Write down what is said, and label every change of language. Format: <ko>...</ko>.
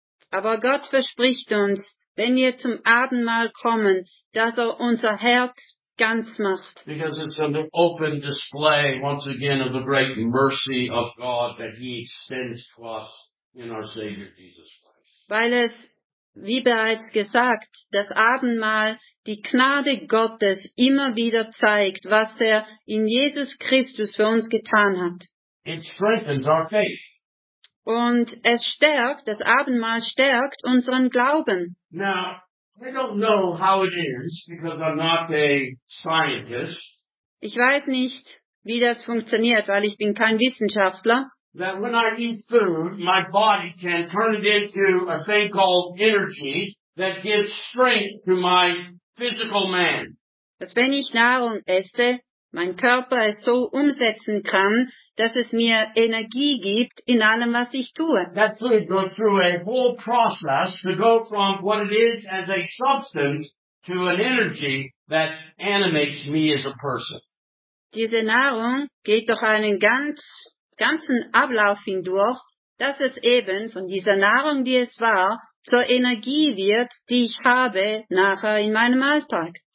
<de>Aber Gott verspricht uns, wenn wir zum Abendmahl kommen, dass er unser Herz ganz macht.</de> <en>Because it's an open display once again of the great mercy of God that he extends to us in our Savior Jesus Christ.</en> <de>Weil es Wie bereits gesagt, das Abendmahl die Gnade Gottes immer wieder zeigt, was er in Jesus Christus für uns getan hat.</de> <en>It strengthens our faith.</en> <de>Und es stärkt, das Abendmahl stärkt unseren Glauben.</de> <en>Now, I don't know how it is, because I'm not a scientist.</en> <de>Ich weiß nicht, wie das funktioniert, weil ich bin kein Wissenschaftler.</de> <en>That when I eat food, my body can turn it into a thing called energy that gives strength to my physical man.</en> <de>Dass wenn ich Nahrung esse, mein Körper es so umsetzen kann, dass es mir Energie gibt in allem, was ich tue.</de> <en>That food goes through a whole process to go from what it is as a substance to an energy that animates me as a person.</en> <de>Diese Nahrung geht durch einen ganzen Ablauf hindurch, dass es eben von dieser Nahrung, die es war, zur Energie wird, die ich habe nachher in meinem Alltag.</de>